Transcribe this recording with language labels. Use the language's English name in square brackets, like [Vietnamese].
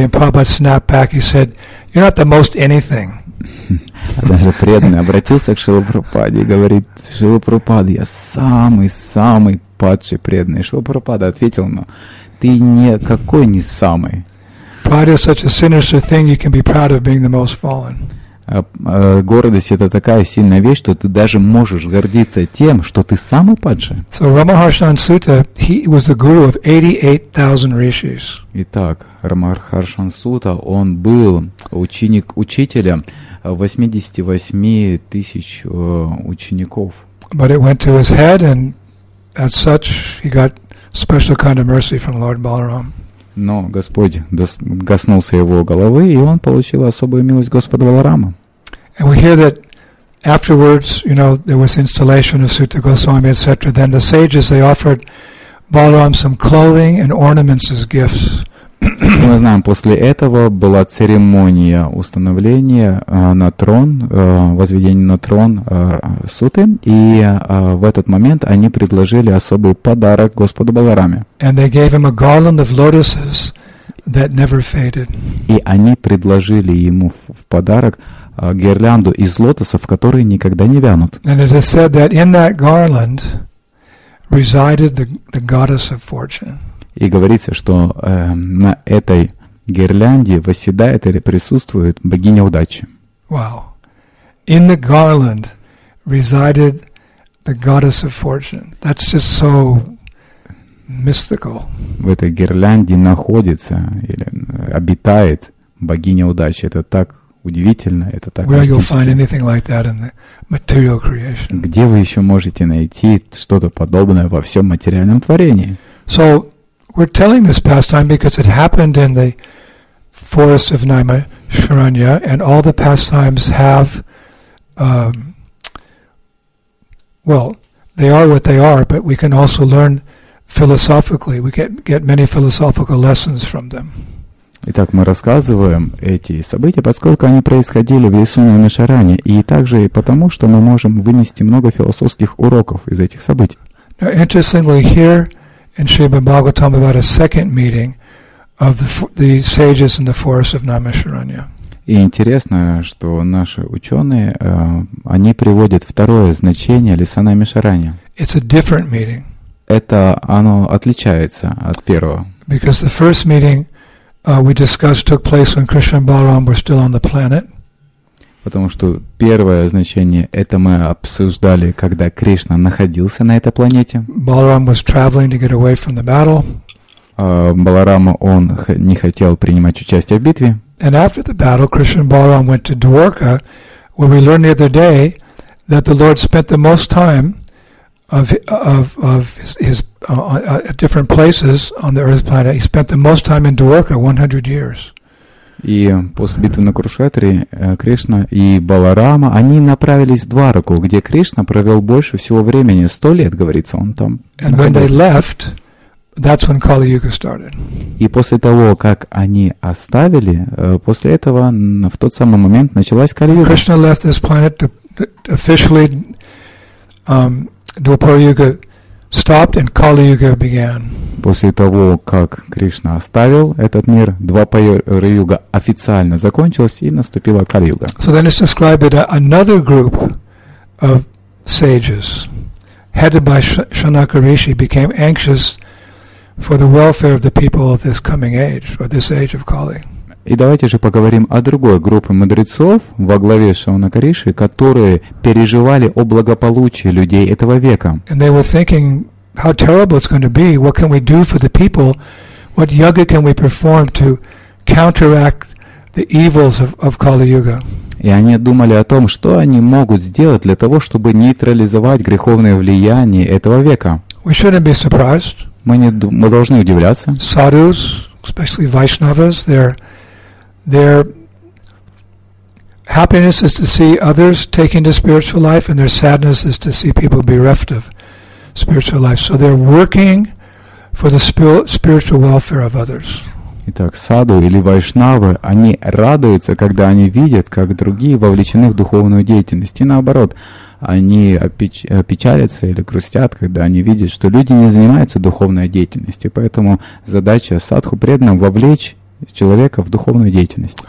[English] And Prabhupada snapped back. He said, you're not the most anything. [Russian] Даже преданный обратился к Шрила Прабхупаде и говорит, Шрила Прабхупада, я самый-самый падший преданный. Шрила Прабхупада ответил ему, ты никакой не самый. [English] Pride is such a sinister thing, you can be proud of being the most fallen. [Russian] Гордость это такая сильная вещь, что ты даже можешь гордиться тем, что ты самый падший. [English] So Ramaharshan Sutta, he was the guru of 88,000 rishis. [Russian] Итак, Рамахаршан Сута, он был ученик учителя 88 тысяч учеников. [English] But it went to his head, and as such, he got special kind of mercy from Lord Balaram. [Russian] Но Господь коснулся его головы, и он получил особую милость Господа Баларама. [English] And we hear that afterwards, you know, there was installation of Sutta Goswami, etc. Then the sages, they offered Balaram some clothing and ornaments as gifts. [Russian] И мы знаем, после этого была церемония установления на трон, возведения на трон Суты, и в этот момент они предложили особый подарок Господу Балараме. [English] And they gave him a garland of lotuses that never faded. [Russian] И они предложили ему в подарок гирлянду из лотосов, которые никогда не вянут. [English] And it is said that in that garland resided the goddess of fortune. [Russian] И говорится, что на этой гирлянде восседает или присутствует богиня удачи. [English] Wow. In the garland resided the goddess of fortune. That's just so mystical. [Russian] В этой гирлянде находится или обитает богиня удачи. Это так удивительно, это так мистично. [English] Where you'll find anything like that in the material creation? [Russian] Где вы еще можете найти что-то подобное во всем материальном творении? [English] So we're telling this pastime because it happened in the forest of Naima Sharanya, and all the pastimes have well, they are what they are, but we can also learn philosophically. We get many philosophical lessons from them. [Russian] Итак, мы рассказываем эти события, поскольку они происходили в лесу Намишаране, и также потому, что мы можем вынести много философских уроков из этих событий. [English] Now, interestingly, here in Srimad Bhagavatam about a second meeting of the sages in the forest of Namasharanya. [Russian] И интересно, что наши ученые, они приводят второе значение леса Намишаранья. [English] It's a different meeting. [Russian] Это оно отличается от первого. [English] Because the first meeting we discussed took place when Krishna and Balaram were still on the planet. [Russian] Потому что первое значение это мы обсуждали, когда Кришна находился на этой планете. [English] Balaram was traveling to get away from the battle. [Russian] Баларама он не хотел принимать участие в битве. [English] And after the battle, Krishna and Balaram went to Dwarka, where we learned the other day that the Lord spent the most time of his at different places on the Earth planet. He spent the most time in Dwarka, 100 years. [Russian] И после битвы на Курукшетре Кришна и Баларама они направились в Двараку, где Кришна провел больше всего времени, 100 лет, говорится, он там. [English] And when they left, that's when Kali Yuga started. [Russian] И после того, как они оставили, после этого в тот самый момент началась Кали Юга. [English] Krishna left this planet to officially Dwapara Yuga stopped and Kali Yuga began. [Russian] После того, как Кришна оставил этот мир, Двапара Юга официально закончилась и наступила Кали Юга. [English] So then it's described that another group of sages, headed by Shanaka Rishi, became anxious for the welfare of the people of this coming age, or this age of Kali. [Russian] И давайте же поговорим о другой группе мудрецов во главе Шанака Риши, которые переживали о благополучии людей этого века. [English] And they were thinking, how terrible it's going to be. What can we do for the people? What yoga can we perform to counteract the evils of Kali Yuga? [Russian] И они думали о том, что они могут сделать для того, чтобы нейтрализовать греховное влияние этого века. [English] We shouldn't be surprised. [Russian] Мы должны удивляться. [English] Sadhus, especially Vaishnavas, their happiness is to see others taking to spiritual life, and their sadness is to see people bereft of spiritual life. So they're working for the spiritual welfare of others. [Russian] Итак, саду или вайшнавы, они радуются, когда они видят, как другие вовлечены в духовную деятельность. И наоборот, они печалятся или грустят, когда они видят, что люди не занимаются духовной деятельностью. Поэтому задача садху преданным — вовлечь человека в духовную деятельность.